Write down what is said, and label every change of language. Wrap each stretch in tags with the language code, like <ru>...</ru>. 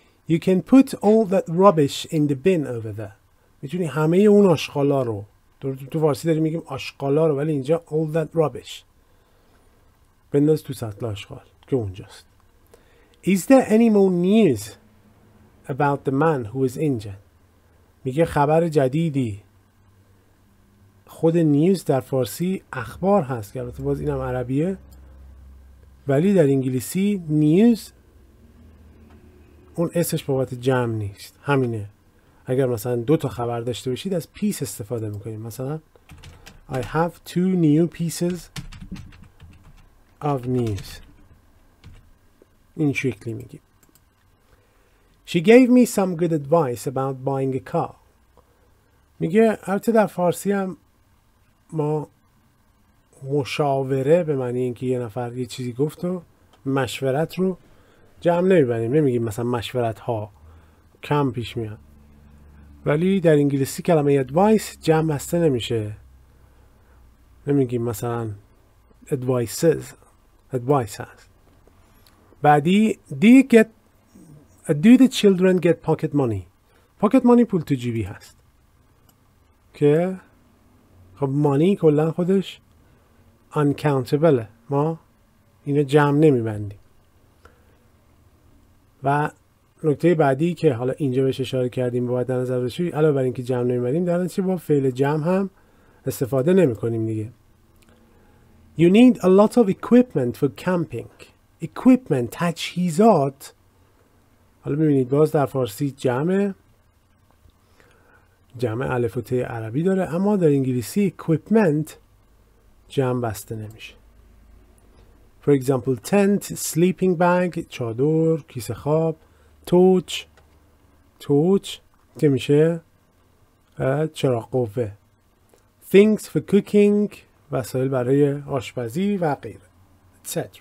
<en>You can put all that rubbish in the bin over there.</en> <fa>میتونی همه اون آشغالا رو، تو فارسی داریم میگیم آشغالا رو، ولی اینجا all that rubbish، بنداز تو سطل آشغال که اونجاست.</fa> <en>Is there any more news about the man who is injured؟ میگه خبر جدیدی.</en> <fa>خود نیوز در فارسی اخبار هست، که البته باز اینم عربیه، ولی در انگلیسی نیوز اون اسمش بابت جمع نیست، همینه. اگر مثلا دو تا خبر داشته باشید از پیس استفاده میکنید، مثلا I have two new pieces of news. این شکلی میگیم.</fa> <en>She gave me some good advice about buying a car.</en> <fa>میگه البته در فارسی هم ما مشاوره به معنی اینکه یه نفر یه چیزی گفت و مشورت رو جمع نمیبنیم، نمیگیم مثلا مشورت ها کم پیش میاد، ولی در انگلیسی کلمه advice جمع بسته نمیشه، نمیگیم مثلا advices، advice هست.</fa> <en>بعدی do the children get pocket money.</en> <fa>پاکت مانی پول تو جیبی هست، که خب مانی کلا خودش uncountable، ما اینو جمع نمیبندیم. و نکته بعدی که حالا اینجا بهش اشاره کردیم باید در نظر بشوی، علاوه بر اینکه جمع نمیبندیم، در نتیجه با فعل جمع هم استفاده نمیکنیم دیگه.</fa> <en>You need a lot of equipment for camping.</en> <fa>Equipment، تجهیزات. حالا میبینید باز در فارسی جمعه، جمع الف و ت عربی داره، اما در انگلیسی equipment جمع بسته نمیشه.</fa> <en>For example tent، sleeping bag، چادر، کیسه خواب، torch، torch که میشه چراغ قوه، things for cooking، وسایل برای آشپزی و غیره، etc.</en>